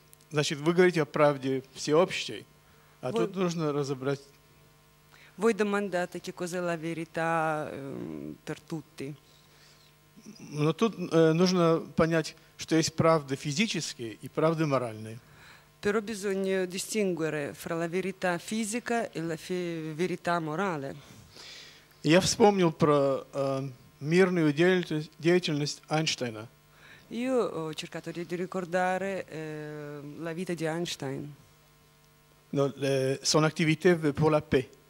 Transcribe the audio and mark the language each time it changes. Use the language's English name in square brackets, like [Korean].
[Russian] значит, вы говорите о правде всеобщей, а тут нужно разобрать... [Italian] Voi domandate che cos'è la verità per tutti. [Russian] Но тут нужно понять, что есть правды физические и правды моральные. [Italian] Però bisogna distinguere fra la verità fisica e la verità morale. [Russian] Я вспомнил про мирную деятельность Эйнштейна. [Italian] Io ho cercato di ricordare la vita di Einstein. [French] No, son activité pour la paix.